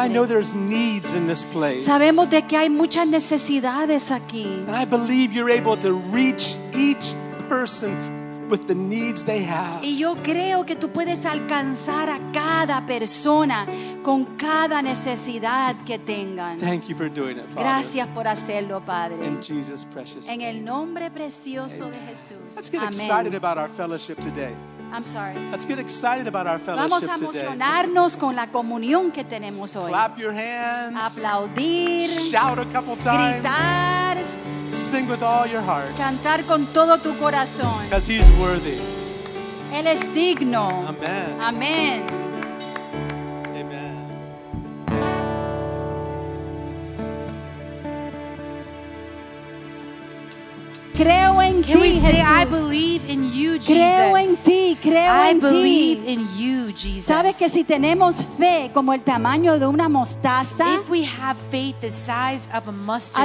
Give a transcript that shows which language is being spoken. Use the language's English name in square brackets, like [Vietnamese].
[English] God, I know there's needs in this place. [Spanish] Sabemos de que hay muchas necesidades aquí. [English] And I believe you're able to reach each person with the needs they have. [Spanish] Y yo creo que tú puedes alcanzar a cada persona con cada necesidad que tengan. [English] Thank you for doing it, Father. [Spanish] Gracias por hacerlo, Padre. [English] In Jesus' precious name. [Spanish] En el nombre precioso de Jesús. [English] Let's get Amen. Excited about our fellowship today. I'm sorry. Let's get excited about our fellowship today. [Spanish] Vamos a emocionarnos con la comunión que tenemos hoy. [English] Clap your hands. [Spanish] Aplaudir. [English] Shout a couple times. [Spanish] Gritar. [English] Sing with all your heart. [Spanish] Cantar con todo tu corazón. [English] Because he's worthy. [Spanish] Él es digno. [English] Amen. Amen. Amen. [Spanish] Creo en [English] Can we say, Jesus. I believe in you, Jesus. [Spanish] Creo en ti, creo [English] I [Spanish] en [English] believe [Spanish] ti. [English] In you, Jesus. [Spanish] Sabes que si tenemos fe como el tamaño de una mostaza, [English] if we have faith the size of a mustard,